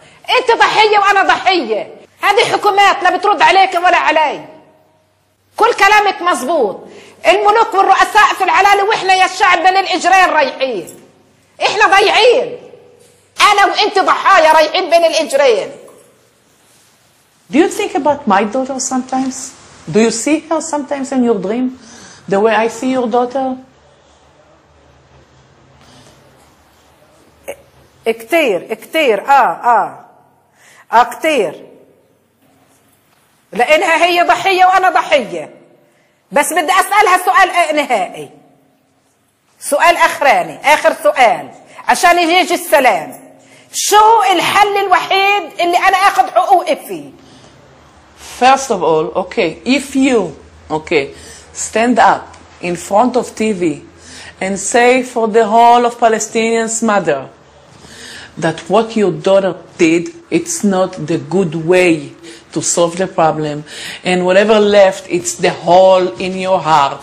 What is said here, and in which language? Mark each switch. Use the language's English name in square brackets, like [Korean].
[Arabic] انت ضحية وانا ضحية هذه حكومات لا بترد عليك ولا علي كل كلامك مظبوط الملوك والرؤساء في العلالة وإحنا يا الشعب بين الإجرين رايحين إحنا ضيعين أنا وإنت ضحايا رايحين بين الإجرين [English] Do you think about my daughter sometimes? Do you see her sometimes in your dream? The way I see your daughter? [Arabic] كتير كتير آه كتير لأنها هي ضحية وأنا ضحية بس بدي أسألها سؤال نهائي سؤال أخراني آخر سؤال عشان يجي السلام شو الحل الوحيد اللي أنا أخذ حقوقي فيه [English] First of all, okay, if you, okay, stand up in front of TV and say for the whole of Palestinians' mother that what your daughter did, it's not the good way to solve the problem and whatever left it's the hole in your heart